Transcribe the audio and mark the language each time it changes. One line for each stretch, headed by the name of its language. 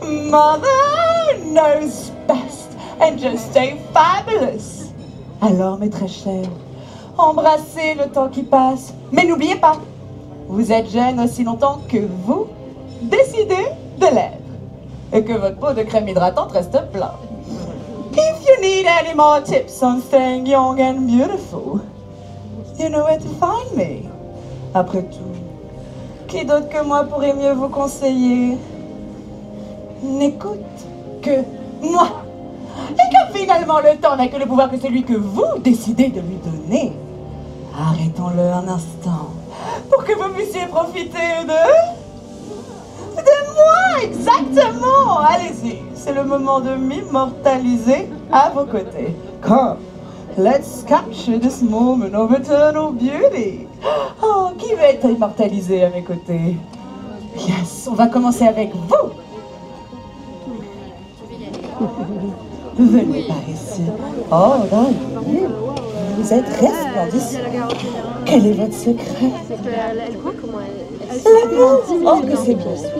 English: Mother knows best and just stay fabulous.
French: Alors, mes très chers, embrassez le temps qui passe. Mais n'oubliez pas, vous êtes jeune aussi longtemps que vous décidez de l'être. Et que votre pot de crème hydratante reste plein.
English: If you need any more tips on staying young and beautiful, you know where to find me.
French: Après tout, qui d'autre que moi pourrait mieux vous conseiller? N'écoute que moi. Et que finalement le temps n'a que le pouvoir que celui que vous décidez de lui donner. Arrêtons-le un instant pour que vous puissiez profiter de moi exactement. Allez-y, c'est le moment de m'immortaliser à vos côtés.
English: Come, let's capture this moment of eternal beauty.
French: Oh, qui va être immortalisé à mes côtés? Yes, on va commencer avec vous. Venez par ici. Oh, là, vous êtes resplendissant. Quel est votre secret? L'amour. Oh, que c'est beau.